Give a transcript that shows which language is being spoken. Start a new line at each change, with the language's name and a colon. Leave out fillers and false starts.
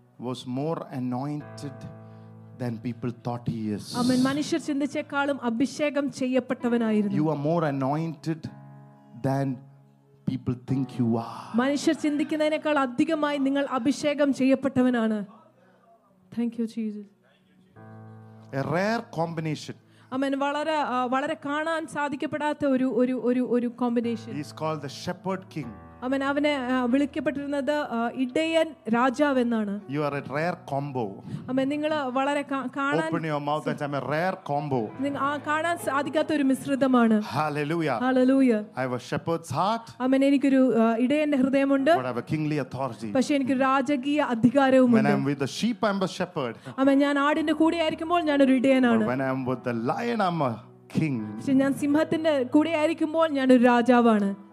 English: was more anointed than people thought he is. Amen.
Malayalam: മനുഷ്യർ ചിന്തിച്ചേക്കാളും അഭിഷേകം ചെയ്യപ്പെട്ടവനായിരുന്നു.
English: You are more anointed than people think you are.
Malayalam: മനുഷ്യർ ചിന്തിക്കുന്നതിനേക്കാൾ അധികമായി നിങ്ങൾ അഭിഷേകം ചെയ്യപ്പെട്ടവനാണ്.
English: Thank you Jesus. A rare combination. Amen.
Malayalam: വളരെ വളരെ കാണാൻ സാധിക്കപ്പെടാത്ത ഒരു ഒരു ഒരു ഒരു combination.
English: He is called the shepherd king.
Malayalam: Aman അവനെ വിളിക്കപ്പെട്ടിരുന്നത് ഇടയൻ രാജാവ് എന്നാണ്.
English: You are a rare combo.
Malayalam: Aman നിങ്ങൾ വളരെ കാണാൻ
English: Open your mouth and I'm a rare combo.
Malayalam: നിങ്ങൾ കാണാൻ സാധിക്കാത്ത ഒരു മിശ്രിതമാണ്.
English: Hallelujah. Hallelujah. I have a shepherd's heart.
Malayalam: Aman എനിക്ക് ഒരു ഇടയന്റെ ഹൃദയമുണ്ട്.
English: But I have a kingly authority.
Malayalam: പക്ഷേ എനിക്ക് രാജകീയ അധികാരവുമുണ്ട്.
English: When I'm with the sheep I'm a shepherd.
Malayalam: Aman ഞാൻ ആടിന്റെ കൂടെ ആയിരിക്കുമ്പോൾ ഞാൻ ഒരു ഇടയനാണ്.
English: When I'm with the lion I'm a king.
Malayalam: പക്ഷേ ഞാൻ സിംഹത്തിന്റെ കൂടെ ആയിരിക്കുമ്പോൾ ഞാൻ ഒരു രാജാവാണ്.